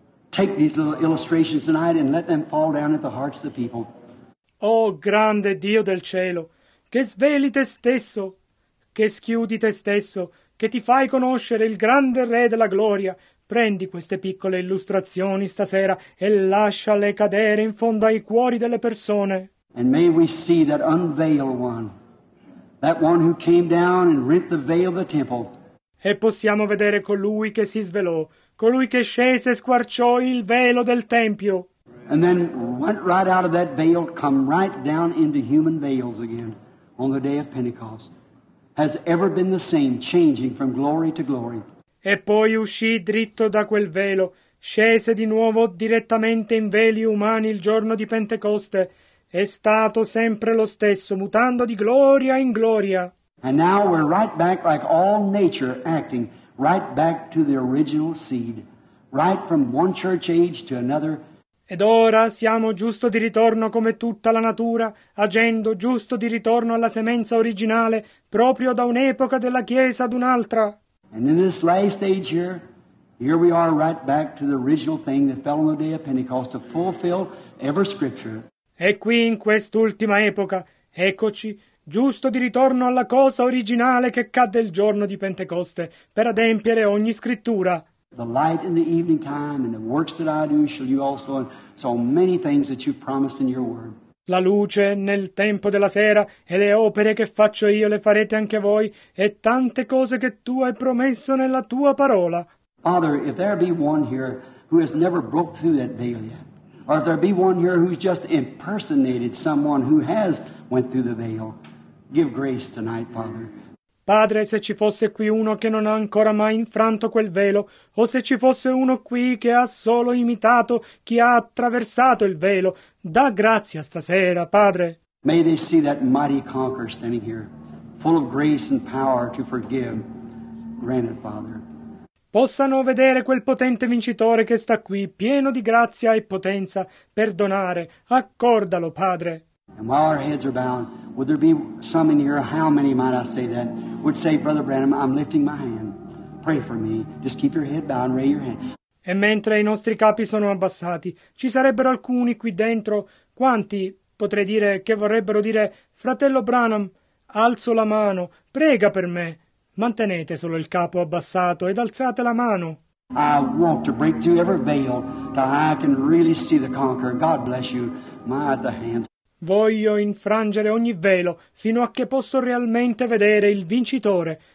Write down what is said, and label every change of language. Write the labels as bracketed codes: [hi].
[en] Take these little illustrations tonight and let them fall down at the hearts of the people. [it] Oh, grande Dio del cielo, che sveli te stesso, che schiudi te stesso, che ti fai conoscere il grande Re della gloria. Prendi queste piccole illustrazioni stasera e lasciale cadere in fondo ai cuori delle persone. [en] And may we see that unveiled one, that one who came down and rent the veil of the temple. [it] E possiamo vedere colui che si svelò, colui che scese e squarciò il velo del Tempio. [en] And then went right out of that veil, come right down into human veils again on the day of Pentecost. Has ever been the same, changing from glory to glory. [it] E poi uscì dritto da quel velo, scese di nuovo direttamente in veli umani il giorno di Pentecoste. È stato sempre lo stesso, mutando di gloria in gloria. [en] And now we're right back, like all nature acting, right back to the original seed, right from one church age to another. [it] Ed ora siamo giusto di ritorno come tutta la natura, agendo giusto di ritorno alla semenza originale, proprio da un'epoca della Chiesa ad un'altra. [en] And in this last age here, here we are right back to the original thing that fell on the day of Pentecost to fulfill every scripture. [it] E qui in quest'ultima epoca, eccoci, giusto di ritorno alla cosa originale che cadde il giorno di Pentecoste, per adempiere ogni scrittura. [en] The light in the evening time and the works that I do shall you also, so many things that you promised in your word. [it] La luce nel tempo della sera e le opere che faccio io le farete anche voi e tante cose che tu hai promesso nella tua parola. [en] Father, if there be one here who has never broke through that veil yet, or if there be one here who's just impersonated someone who has went through the veil, give grace tonight, Father. [it] Padre, se ci fosse qui uno che non ha ancora mai infranto quel velo, o se ci fosse uno qui che ha solo imitato chi ha attraversato il velo, da grazia stasera, Padre. [en] May they see that mighty conqueror standing here, full of grace and power to forgive. Grant it, Father. [it] Possano vedere quel potente vincitore che sta qui, pieno di grazia e potenza, perdonare. Accordalo, Padre. [en] And while our heads are bowed, would there be some in here, how many might I say that, would say, Brother Branham, I'm lifting my hand. Pray for me. Just keep your head bowed and raise your hand. [it] E mentre i nostri capi sono abbassati, ci sarebbero alcuni qui dentro, quanti, potrei dire, che vorrebbero dire, Fratello Branham, alzo la mano, prega per me. Mantenete solo il capo abbassato ed alzate la mano. [en] I want to break through every veil till I can really see the conqueror. God bless you. My, the hands. [it] Voglio infrangere ogni velo fino a che posso realmente vedere il vincitore.